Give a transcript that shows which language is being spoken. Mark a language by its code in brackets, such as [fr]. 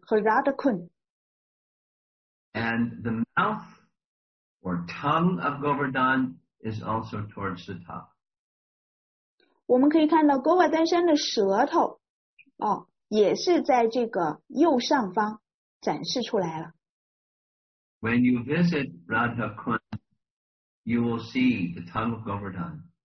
[zh] 我们在这张图片的左右上角可以看到Govardhan山上，这不是有两个点，这两个点呢就是Shamakun和Radhakun。 [en] And the mouth or tongue of Govardhan is also towards the top. [zh] 我们可以看到Govardhan山的舌头，也是在这个右上方。 [en] When you visit Radhakun, you will see the tongue of Govardhan.